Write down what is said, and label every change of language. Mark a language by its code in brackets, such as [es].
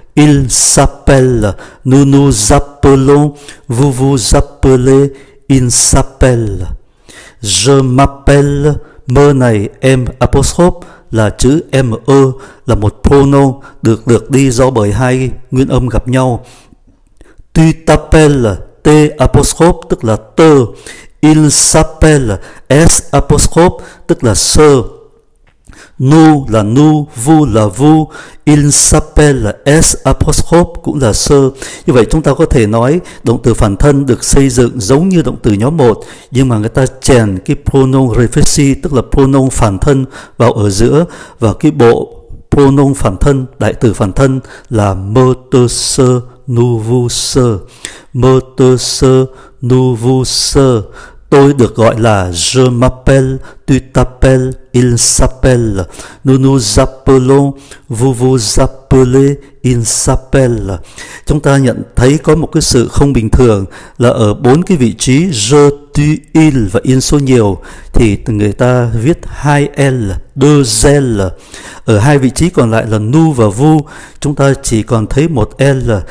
[fr] Il s'appelle, nous nous appelons, vous vous appelez, il s'appelle. Je m'appelle, [vi] mơ này, em apostrophe, là chữ M-E, là một pronom được đi do bởi hai nguyên âm gặp nhau. [fr] Tu t'appelle, [vi] T apostrophe, tức là tơ. [fr] Il s'appelle, [vi] S apostrophe, tức là sơ. Nous là nous, vous là vous, [fr] il s'appelle [vi] S apostrophe cũng là sơ. Như vậy chúng ta có thể nói động từ phản thân được xây dựng giống như động từ nhóm 1, nhưng mà người ta chèn cái pronom reflexive, tức là pronom phản thân vào ở giữa, và cái bộ pronom phản thân, đại từ phản thân là mơ tơ sơ, nous vous sơ. Mơ tơ sơ, nous vous sơ. Tôi được gọi là [fr] je m'appelle, tu t'appelles, il s'appelle. Nous nous appelons, vous vous appelez, il s'appelle. [vi] Chúng ta nhận thấy có một cái sự không bình thường là ở bốn cái vị trí je, tu, il và in số nhiều thì người ta viết hai L, [fr] deux L. [vi] Ở hai vị trí còn lại là nous và vous, chúng ta chỉ còn thấy một L.